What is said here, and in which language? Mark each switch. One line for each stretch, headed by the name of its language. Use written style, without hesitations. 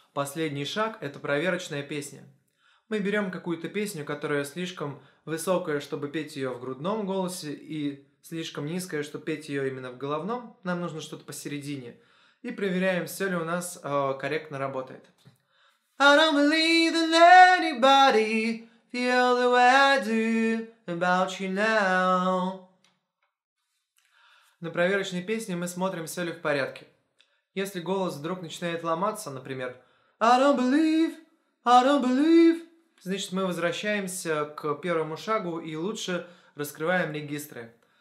Russian: Последний шаг – это проверочная песня. Мы берем какую-то песню, которая слишком высокая, чтобы петь ее в грудном голосе, и слишком низкая, чтобы петь ее именно в головном. Нам нужно что-то посередине. И проверяем, все ли у нас корректно работает.
English: I don't believe in anybody feel the way I do about you now.
Russian: На проверочной песне мы смотрим, все ли в порядке. Если голос вдруг начинает ломаться, например,
English: I don't believe,
Russian: значит, мы возвращаемся к первому шагу и лучше раскрываем регистры.